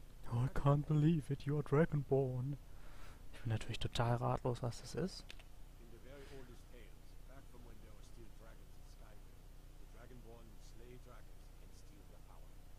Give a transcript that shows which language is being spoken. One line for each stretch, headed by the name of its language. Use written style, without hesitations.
English: Oh, I can't believe it, you are Dragonborn.
German: Ich bin natürlich total ratlos, was das ist.
English: In the very oldest tales, back from when there were still dragons in Skyrim, the Dragonborn would slay dragons and steal their power.